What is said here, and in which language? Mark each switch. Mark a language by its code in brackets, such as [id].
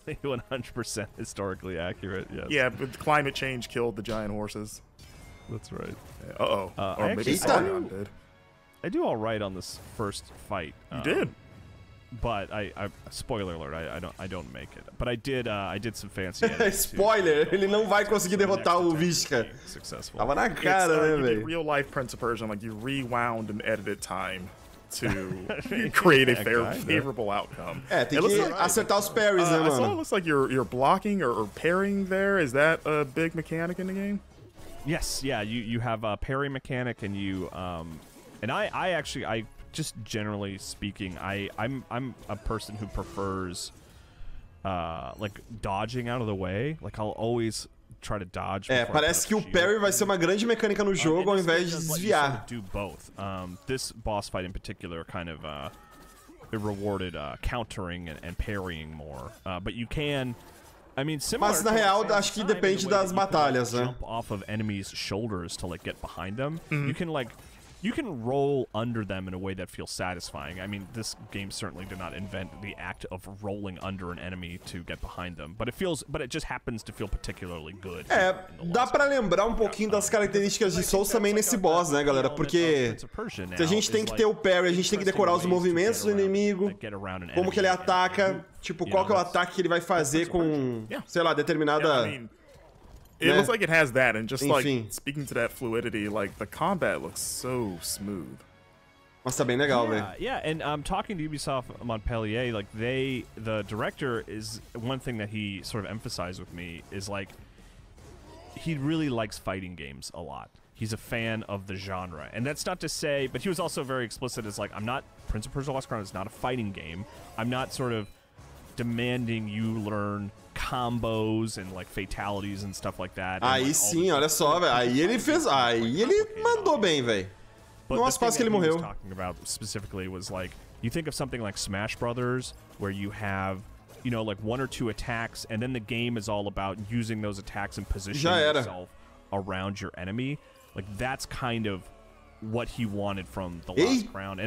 [en] Absolutely, 100% historically accurate. Yes. Yeah, but climate change killed the giant horses. That's right. Yeah. Or maybe Sargon did. I do all right on this first fight. You did. But I spoiler alert, I don't make it. But I did some fancy spoiler, too, [pt] ele não vai conseguir derrotar o Vishka. [en] Successful. [pt] Tava na cara, né, velho? [en] Real life Prince of Persia, like you rewound and edited time to create a fair, favorable outcome. [pt] É, tem que acertar os parries, né, mano? [en] I saw it looks like you're blocking or parrying there. Is that a big mechanic in the game? Yes, yeah, you have a parry mechanic and you and I just generally speaking, I'm a person who prefers like dodging out of the way. Like I'll always try to dodge. [pt] É, parece que o parry vai ser uma grande mecânica no jogo ao invés de desviar. [en] Do both. This boss fight in particular kind of it rewarded countering and parrying more. But you can, I mean, similar. [pt] Mas na real, acho que depende das batalhas, né? [en] Jump off of enemies' shoulders to like get behind them. Mm-hmm. You can like. You can roll under them in a way that feels satisfying. I mean, this game certainly did not invent the act of rolling under an enemy to get behind them, but it just happens to feel particularly good. [pt] É, dá pra lembrar um pouquinho das características de Souls também nesse boss, né, galera? Porque se a gente tem que ter o parry, a gente tem que decorar os movimentos do inimigo, como que ele ataca, tipo, qual que é o ataque que ele vai fazer com, sei lá, determinada. [en] It looks like it has that, and just like speaking to that fluidity, like the combat looks so smooth. [pt] Nossa, bem legal, [en] yeah, yeah, and talking to Ubisoft Montpellier, like the director is one thing that he sort of emphasized with me is like he really likes fighting games a lot. He's a fan of the genre, and that's not to say, but he was also very explicit. It's like I'm not Prince of Persia: Lost Crown is not a fighting game. I'm not sort of demanding you learn combos and like fatalities and stuff like that. [pt] Aí [en] like, [pt] sim, olha só, velho. Aí ele fez, aí ele mandou bem, velho. Nossa, quase que ele morreu. [en] Talking about specifically was like you think of something like Smash Brothers where you have, you know, like one or two attacks and then the game is all about using those attacks and positioning yourself around your enemy. Like that's kind of what he wanted from The Last Crown